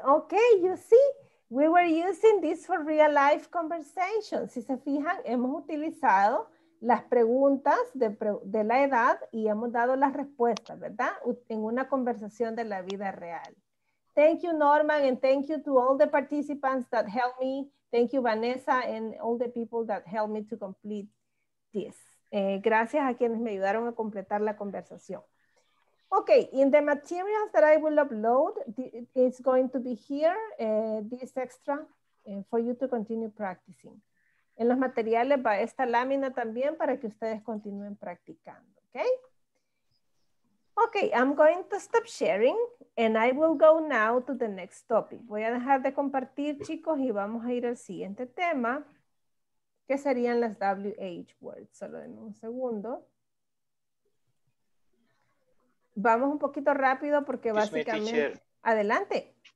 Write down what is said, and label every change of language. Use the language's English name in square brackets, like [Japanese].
[English] Okay, you see, we were using this for real life conversations. [Spanish] Si se fijan, hemos utilizado las preguntas de la edad y hemos dado las respuestas, ¿verdad? En una conversación de la vida real. [English] Thank you, Norman, and thank you to all the participants that helped me. Thank you, Vanessa, and all the people that helped me to complete this. [Spanish] Gracias a quienes me ayudaron a completar la conversación. [English] Okay, in the materials that I will upload, it's going to be here, this extra, for you to continue practicing. [Spanish] En los materiales va esta lámina también para que ustedes continúen practicando, okay? [English] Okay, I'm going to stop sharing and I will go now to the next topic. [Spanish] Voy a dejar de compartir, chicos, y vamos a ir al siguiente tema, que serían las WH words. Solo denme un segundo. Vamos un poquito rápido porque básicamente... Adelante.